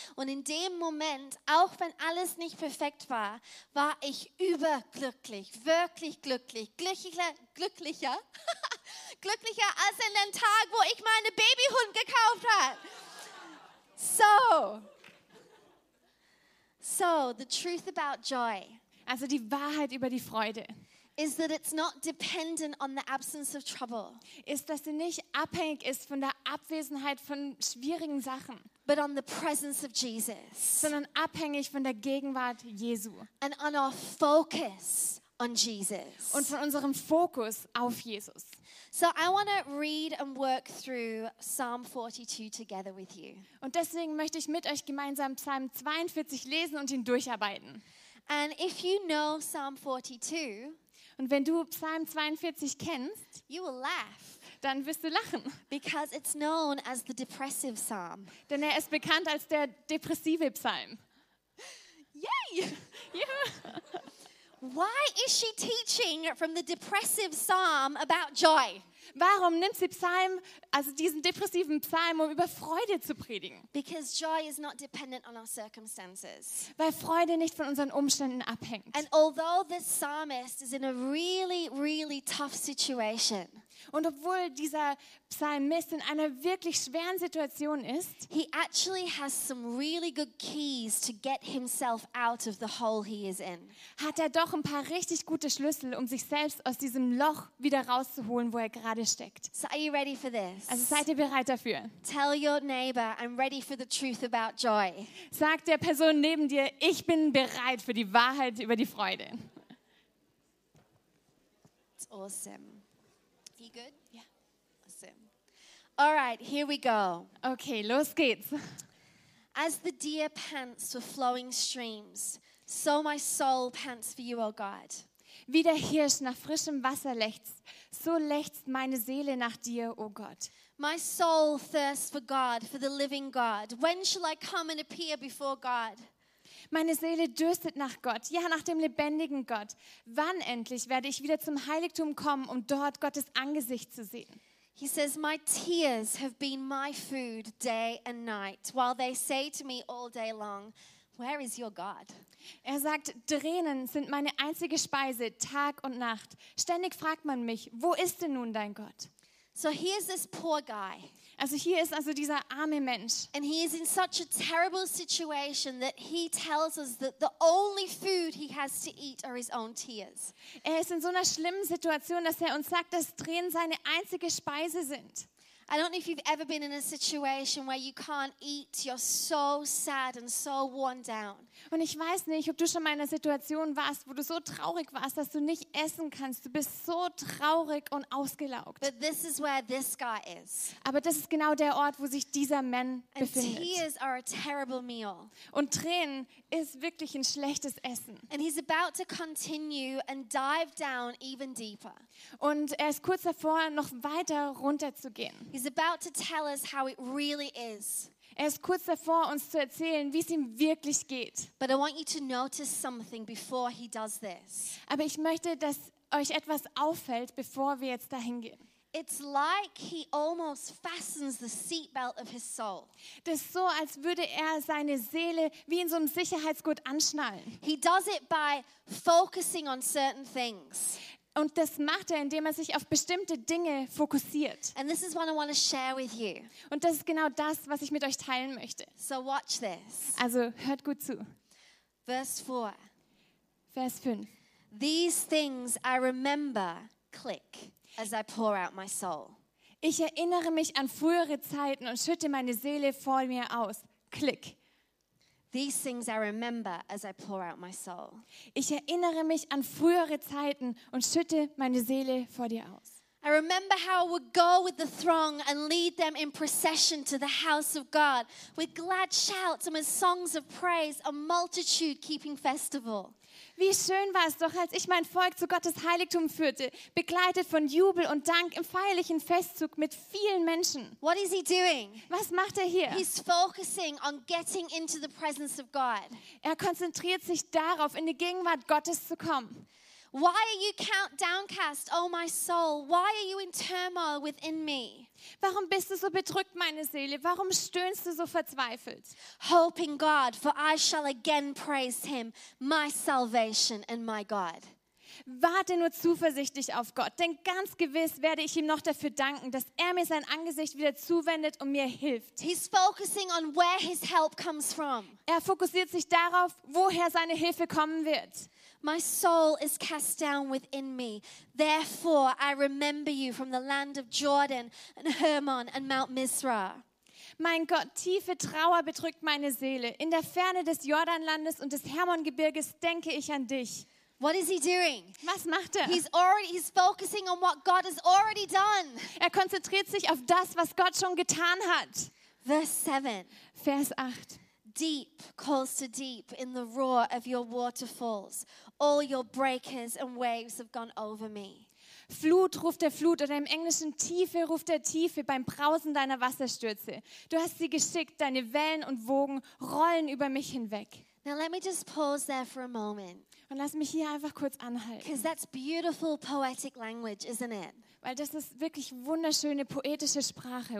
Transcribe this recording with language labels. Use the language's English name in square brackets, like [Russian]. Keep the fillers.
[German] Und in dem Moment, auch wenn alles nicht perfekt war, war ich überglücklich, wirklich glücklich, glücklicher, glücklicher, glücklicher als an dem Tag, wo ich meine Babyhund gekauft habe. [English] So, so, the truth about joy [German] Also die Wahrheit über die Freude [English] is that it's not dependent on the absence of trouble, [German] ist, dass sie nicht abhängig ist von der Abwesenheit von schwierigen Sachen, [English] but on the presence of Jesus [German] sondern abhängig von der Gegenwart Jesu [English] and on our focus on Jesus. [German] und von unserem Fokus auf Jesus. [English] So, I want to read and work through Psalm 42 together with you. [German] Und deswegen möchte ich mit euch gemeinsam Psalm 42 lesen und ihn durcharbeiten. [English] And if you know Psalm 42, [German] Und wenn du Psalm 42 kennst, [English] you will laugh [German] dann wirst du lachen, [English] because it's known as the depressive psalm. [German] denn er ist bekannt als der depressive Psalm. [English] Yay! [German] Ja. [English] Why is she teaching from the depressive psalm about joy? [German] Warum nimmt sie Psalm, also diesen depressiven Psalm, um über Freude zu predigen? [English] Because joy is not dependent on our circumstances. [German] Weil Freude nicht von unseren Umständen abhängt. [English] And although this psalmist is in a really, really tough situation, [German] Und obwohl dieser Psalmist in einer wirklich schweren Situation ist, [English] he actually has some really good keys to get himself out of the hole he is in. [German] hat er doch ein paar richtig gute Schlüssel, um sich selbst aus diesem Loch wieder rauszuholen, wo er gerade steckt. [English] So, are you ready for this? [German] Also seid ihr bereit dafür? [English] Tell your neighbor, I'm ready for the truth about joy. [German] Sag der Person neben dir, ich bin bereit für die Wahrheit über die Freude. [English] It's awesome. You good? Yeah. Awesome. All right, here we go. [German] Okay, los geht's. [English] As the deer pants for flowing streams, so my soul pants for you, O God. [German] Wie der Hirsch nach frischem Wasser lechzt, so lechzt meine Seele nach dir, o Gott. [English] My soul thirsts for God, for the living God. When shall I come and appear before God? [German] Meine Seele dürstet nach Gott, ja nach dem lebendigen Gott. Wann endlich werde ich wieder zum Heiligtum kommen, um dort Gottes Angesicht zu sehen? [English] He says, My tears have been my food day and night, while they say to me all day long, Where is your God? [German] Er sagt, Tränen sind meine einzige Speise, Tag und Nacht. Ständig fragt man mich, wo ist denn nun dein Gott? [English] So here's this poor guy, [German] Also hier ist also dieser arme Mensch. [English] and he is in such a terrible situation that he tells us that the only food he has to eat are his own tears. [German] Er ist in so einer schlimmen Situation, dass er uns sagt, dass Tränen seine einzige Speise sind. [English] I don't know if you've ever been in a situation where you can't eat, you're so sad and so worn down. [German] Und ich weiß nicht, ob du schon mal in einer Situation warst, wo du so traurig warst, dass du nicht essen kannst. Du bist so traurig und ausgelaugt. [English] But this is where this guy is. [German] Aber das ist genau der Ort, wo sich dieser Mann [English] And [German] befindet. [English] tears are a terrible meal. [German] Und Tränen ist wirklich ein schlechtes Essen. [English] And he's about to continue and dive down even deeper. [German] Und er ist kurz davor, noch weiter runterzugehen. [English] He's about to tell us how it really is. [German] Er ist kurz davor, uns zu erzählen, wie es ihm wirklich geht. [English] But I want you to notice something before he does this. [German] Aber ich möchte, dass euch etwas auffällt, bevor wir jetzt dahin gehen. [English] It's like he almost fastens the seatbelt of his soul. [German] Das ist so, als würde er seine Seele wie in so einem Sicherheitsgurt anschnallen. [English] He does it by focusing on certain things. [German] Und das macht er, indem er sich auf bestimmte Dinge fokussiert. [English] And this is what I want to share with you. [German] Und das ist genau das, was ich mit euch teilen möchte. [English] So watch this. [German] Also hört gut zu. [English] Verse 4. [German] Vers 5. [English] These things I remember click as I pour out my soul. [German] Ich erinnere mich an frühere Zeiten und schütte meine Seele vor mir aus. Klick. [English] These things I remember as I pour out my soul. [German] Ich erinnere mich an frühere Zeiten und schütte meine Seele vor dir aus. [English] I remember how I would go with the throng and lead them in procession to the house of God with glad shouts and with songs of praise, a multitude keeping festival. [German] Wie schön war es doch, als ich mein Volk zu Gottes Heiligtum führte, begleitet von Jubel und Dank im feierlichen Festzug mit vielen Menschen. [English] What is he doing? [German] Was macht er hier? [English] He's focusing on getting into the presence of God. [German] Er konzentriert sich darauf, in die Gegenwart Gottes zu kommen. [English] Why are you count downcast, O my soul? Why are you in turmoil within me? [German] Warum bist du so bedrückt, meine Seele? Warum stöhnst du so verzweifelt? [English] Hope in God, for I shall again praise him, my salvation and my God. [German] Warte nur zuversichtlich auf Gott, denn ganz gewiss werde ich ihm noch dafür danken, dass er mir sein Angesicht wieder zuwendet und mir hilft. [English] He's focusing on where his help comes from. [German] Er fokussiert sich darauf, woher seine Hilfe kommen wird. [English] My soul is cast down within me. Therefore, I remember you from the land of Jordan and Hermon and Mount Mizrah. [German] Mein Gott, tiefe Trauer bedrückt meine Seele. In der Ferne des Jordanlandes und des Hermongebirges denke ich an dich. [English] What is he doing? [German] Was macht er? [English] He's already he's focusing on what God has already done. [German] Er konzentriert sich auf das, was Gott schon getan hat. [English] Verse 7. [German] Vers 8. [English] Deep calls to deep in the roar of your waterfalls. All your breakers and waves have gone over me. [German] Flut ruft der Flut oder im Englischen Tiefe ruft der Tiefe beim Brausen deiner Wasserstürze. Du hast sie geschickt, deine Wellen und Wogen rollen über mich hinweg. [English] Now, let me just pause there for a moment [German] Und lass mich hier einfach kurz anhalten, [English] because that's beautiful poetic language, isn't it? [German] weil das ist wirklich wunderschöne poetische Sprache,